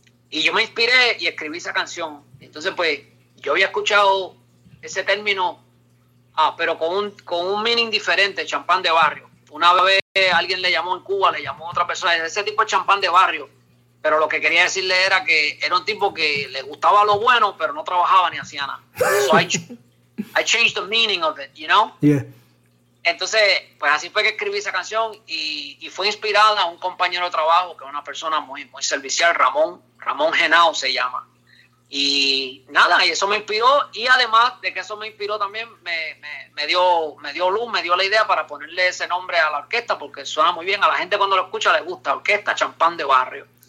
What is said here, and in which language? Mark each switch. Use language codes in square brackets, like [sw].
[es] Y yo me inspiré y escribí esa canción. Entonces, pues, yo había escuchado ese término, pero con un meaning diferente, champán de barrio. Una vez alguien le llamó en Cuba, le llamó otra persona, ese tipo es champán de barrio. Pero lo que quería decirle era que era un tipo que le gustaba lo bueno, pero no trabajaba ni hacía nada. [en] So I changed the meaning of it, you know? Yeah. [es] Entonces, pues así fue que escribí esa canción y fue inspirada a un compañero de trabajo, que es una persona muy, muy servicial, Ramón Genao se llama. Y nada, y eso me inspiró. Y además de que eso me inspiró también, me dio luz, me dio la idea para ponerle ese nombre a la orquesta, porque suena muy bien. A la gente cuando lo escucha le gusta, orquesta champán de barrio.